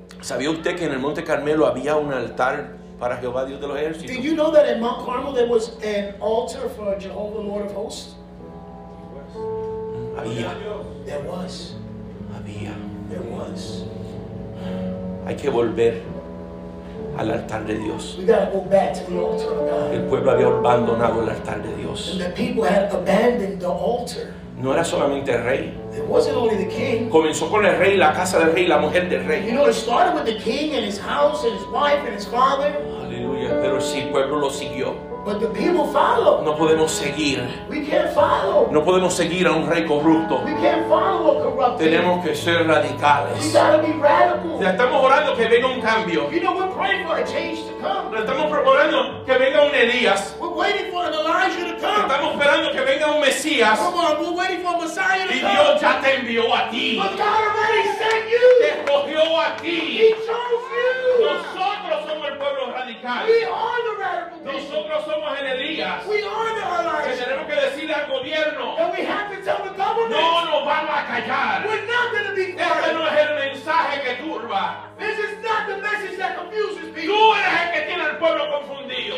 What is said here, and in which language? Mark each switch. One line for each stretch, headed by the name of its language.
Spanish: ¿Sabía usted que en el Monte Carmelo había un altar para Jehová Dios de los ejércitos?
English: Did you know that in Mount Carmel there was an altar for Jehovah Lord of Hosts?
Spanish: Había.
English: There was.
Spanish: Había.
English: There was.
Spanish: Hay que volver al altar de Dios.
English: We gotta go back to the altar of God.
Spanish: El pueblo había abandonado el altar de Dios.
English: And the people had abandoned the altar.
Spanish: No era solamente el rey.
English: It wasn't only the king.
Spanish: Comenzó con el rey, la casa del rey, la mujer del rey.
English: You know, it started with the king and his house and his wife and his father.
Spanish: Aleluya. Pero si el pueblo lo siguió.
English: But the people follow.
Spanish: No podemos seguir.
English: We can't follow.
Spanish: No podemos seguir a un rey corrupto.
English: We can't follow a corrupt.
Spanish: Tenemos que ser radicales.
English: We gotta be radical.
Spanish: Ya estamos orando que venga un cambio.
English: You know, we're praying for a change to come.
Spanish: Estamos orando que venga un Elías.
English: We're waiting for an Elijah to come.
Spanish: Estamos esperando que venga un Mesías.
English: Come on, we're waiting for a Messiah to come.
Spanish: Y Dios ya te envió a ti.
English: But God already sent you.
Spanish: Te escogió a ti.
English: He chose you.
Spanish: Nosotros somos el pueblo radical.
English: We are the radical.
Spanish: Nosotros somos en Elías.
English: We are the Elijah.
Spanish: Que tenemos que decirle al gobierno.
English: And we have to tell the government.
Spanish: No nos van a callar.
English: We're not going to be quiet.
Spanish: Este no es el mensaje que turba.
English: This is not the message that confuses people.
Spanish: Tú eres el que tiene al pueblo confundido.